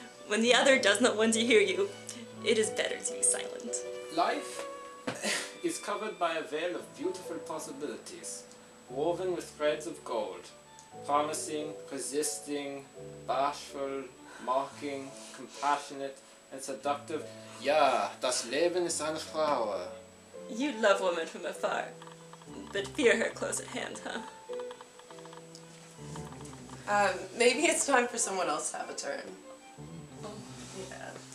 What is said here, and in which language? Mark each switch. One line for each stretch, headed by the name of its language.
English: When the other does not want to hear you, it is better to be silent. Life is covered by a veil of beautiful possibilities, woven with threads of gold, promising, resisting, bashful, mocking, compassionate, and seductive.
German: Ja, das Leben ist eine Frau.
English: You love woman from afar, but fear her close at hand, huh? Maybe it's time for someone else to have a turn. Oh, yeah.